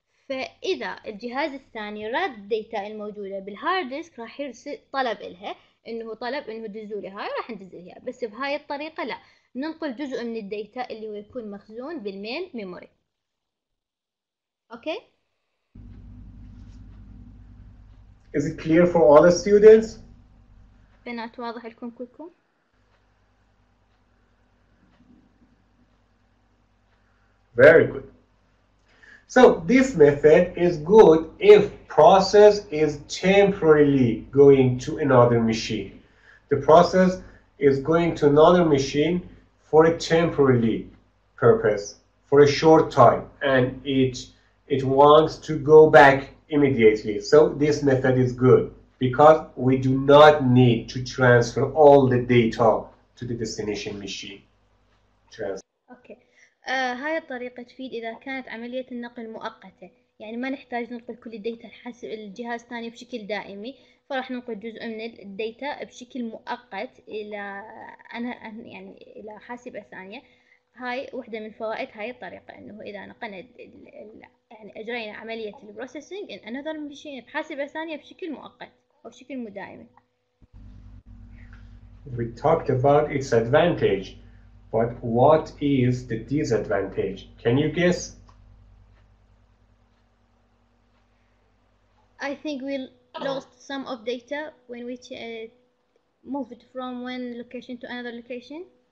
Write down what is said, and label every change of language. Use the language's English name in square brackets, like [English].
[Arabic] فإذا الجهاز الثاني رد ديتا الموجودة بالهارد ديسك راح يرسل طلب إلها، إنه طلب إنه دزولي هاي، راح ندزلها. بس بهاي الطريقة لا، ننقل جزء من الديتا اللي هو يكون مخزون بالمين ميموري. [English] Okay? Is it clear for all the students? [Arabic] بنات واضح لكم كلكم؟ [English] Very good. So this method is good if process is temporarily going to another machine. The process is going to another machine for a temporary purpose, for a short time, and it wants to go back immediately. So this method is good because we do not need to transfer all the data to the destination machine. Okay. [Arabic] هاي الطريقة تفيد إذا كانت عملية النقل مؤقتة، يعني ما نحتاج ننقل كل الديتا الحاسب الجهاز الثاني بشكل دائمي، فراح ننقل جزء من الديتا بشكل مؤقت إلى أنا يعني إلى حاسبة ثانية. هاي واحدة من فوائد هاي الطريقة، إنه إذا نقلنا يعني أجرينا عملية البروسيسنج إن أنا ضل بشيء بحاسبة ثانية بشكل مؤقت أو بشكل مدائم. [English] We talked about its advantage. But what is the disadvantage? Can you guess? I think we lost some of data when we moved from one location to another location.